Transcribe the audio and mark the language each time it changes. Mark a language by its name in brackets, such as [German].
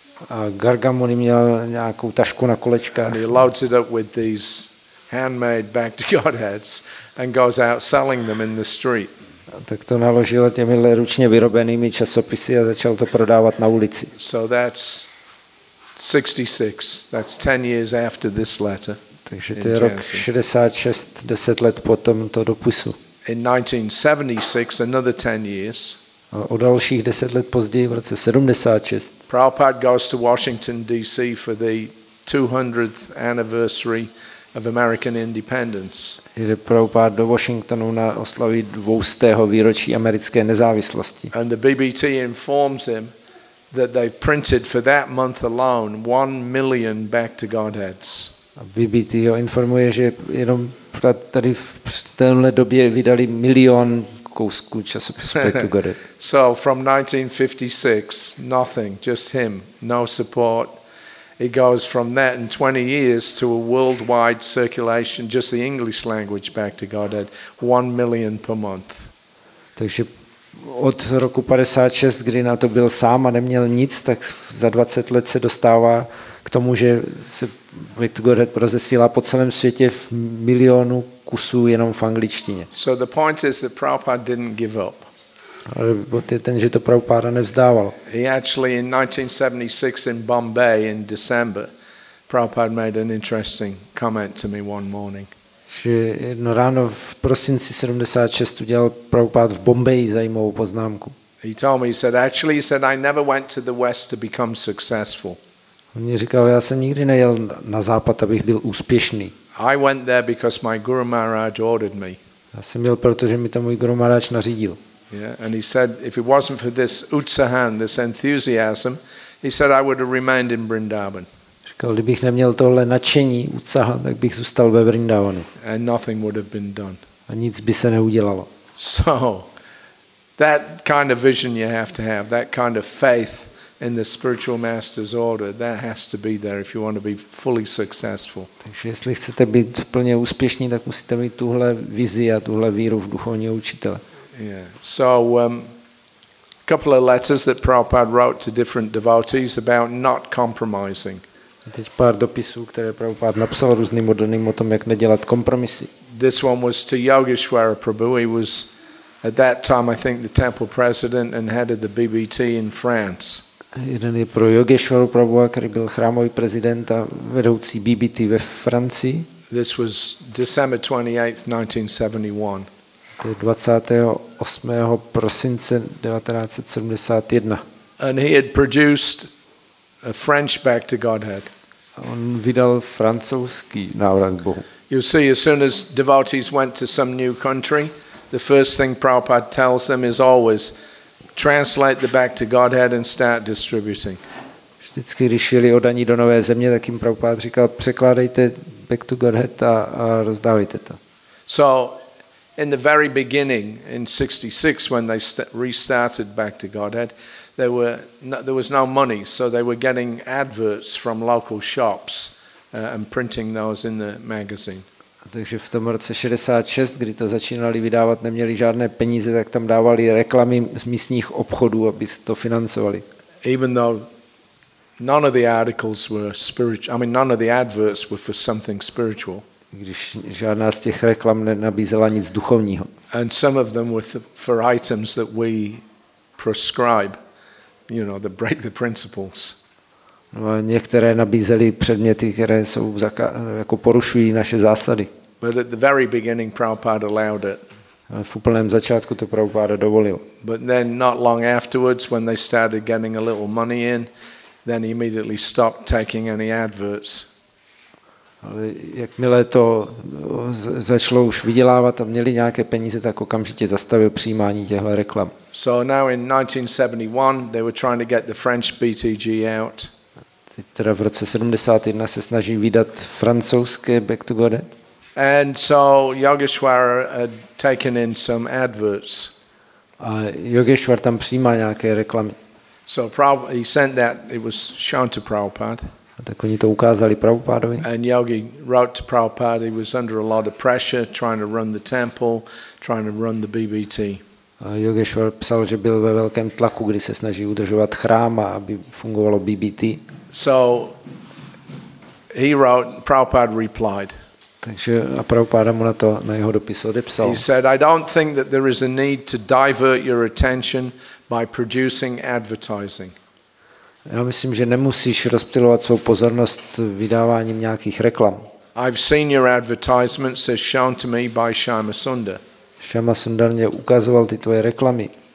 [Czech] A Gargamuni měl nějakou tašku na kolečkách. [English] And he loads it up with these handmade back to Godheads and goes out selling them in the street. [Czech] Tak to naložil těmihle ručně vyrobenými časopisy a začal to prodávat na ulici. [English] So that's 66. That's 10 years after this letter. [Czech] Takže to je rok 66, 10 let po tomto dopisu. [English] In 1976, another 10 years. [Czech] O dalších 10 let později, v roce 76. [English] Prabhupada goes to Washington DC for the 200th anniversary of American independence. [Czech] Jde Prabhupada do Washingtonu na oslavu 200. výročí americké nezávislosti. [English] And the BBT informs him that they printed for that month alone 1 million back to Godheads. [Czech] BBT ho informuje, že jenom tady v téhle době vydali milion kousků časopisu Back to Godhead. [English] So from 1956, nothing, just him, no support. It goes from that in 20 years to a worldwide circulation, just the English language Back to Godhead, 1 million per month. [Czech] Takže od roku 56, kdy na to byl sám a neměl nic, tak za 20 let se dostává k tomu, že se Back to Godhead rozesílá po celém světě v milionu kusů jenom v angličtině. [English] So the point is that Prabhupada didn't give up. [Czech] Ale bod je ten, že to Prabhupada nevzdával. [English] He actually in 1976 in Bombay in December, Prabhupada made an interesting comment to me one morning. [Czech] Že jedno ráno v prosinci 76 udělal Prabhupada v Bombaji zajímavou poznámku. [English] He told me, he said, I never went to the West to become successful. [Czech] On mi říkal, já jsem nikdy nejel na západ, abych byl úspěšný. [English] I went there because my Guru Maharaj ordered me. [Czech] Já jsem jel, protože mi to můj Guru Maharaj nařídil. [English] Yeah, and he said, if it wasn't for this utsahan, this enthusiasm, he said, I would have remained in Vrindavan. [Czech] Říkal, kdybych neměl tohle nadšení, utsaha, tak bych zůstal ve Vrindavanu. [English] And nothing would have been done. [Czech] A nic by se neudělalo. [English] So, that kind of vision you have, that kind of faith in the spiritual master's order, that has to be there if you want to be fully successful. [Czech] Takže jestli chcete být plně úspěšní, tak musíte mít tuhle vizi a tuhle víru v duchovního učitele. [English] Yeah. So a couple of letters that Prabhupada wrote to different devotees about not compromising. [Czech] A teď pár dopisů, které Prabhupada napsal různým oddaným o tom, jak nedělat kompromisy. [English] This one was to Yogeshwara Prabhu. He was at that time, I think, the temple president and head of the BBT in France. [Czech] Jeden je pro Yogeshwaru Prabhuva, který byl chrámový prezident a vedoucí BBT ve Francii. [English] This was December 28th, 1971. [Czech] 28. prosince 1971. [English] And he had produced a French back to Godhead. [Czech] On vydal francouzský návrat k Bohu. [English] You see, as soon as devotees went to some new country, the first thing Prabhupada tells them is always translate the back to Godhead and start distributing. [Czech] Vždycky, když jeli od daní do nové země, tak jim Prabhupada říkal, překládejte back to Godhead a rozdávejte to. [English] So, in the very beginning, in 66, when they restarted back to Godhead, there was no money, so they were getting adverts from local shops and printing those in the magazine. [Czech] Takže v tom roce 66, kdy to začínali vydávat, neměli žádné peníze, tak tam dávali reklamy z místních obchodů, aby to financovali. [English] Even though none of the articles were spiritual, I mean none of the adverts were for something spiritual. [Czech] Když žádná z těch reklam nenabízela nic duchovního. [English] And some of them were for items that we prescribe, you know, that break the principles. [Czech] No a některé nabízely předměty, které jsou jako porušují naše zásady. [English] But at the very beginning Prabhupada allowed it. [Czech] V úplném začátku to Prabhupada dovolil. [English] But then not long afterwards when they started getting a little money in, then he immediately stopped taking any adverts. [Czech] Ale jakmile to začalo už vydělávat a měli nějaké peníze, tak okamžitě zastavil přijímání těchto reklam. [English] So now in 1971 they were trying to get the French BTG out. [Czech] teď teda v roce 71 se snaží vydat francouzské Back to Godhead. [English] And so Yogeshwara had taken in some adverts. [Czech] A Yogeshwar tam přijímá nějaké reklamy. [English] So probably he sent that, it was shown to Prabhupada. [Czech] A tak oni to ukázali Prabhupádovi. [English] And Yogi wrote to Prabhupada, he was under a lot of pressure trying to run the temple, trying to run the BBT. [Czech] A Yogeshwar psal, že byl ve velkém tlaku, kdy se snaží udržovat chrám, aby fungovalo BBT. [English] So he wrote, Prabhupada replied. [Czech] Takže a Prabhupada mu na to na jeho dopis odepsal. [English] He said, I don't think that there is a need to divert your attention by producing advertising. [Czech] Já myslím, že nemusíš rozptylovat svou pozornost vydáváním nějakých reklam. [English] I've seen your advertisements as shown to me by Shyama Sundar. [Czech] Shyama Sundar mě ukazoval ty tvoje reklamy.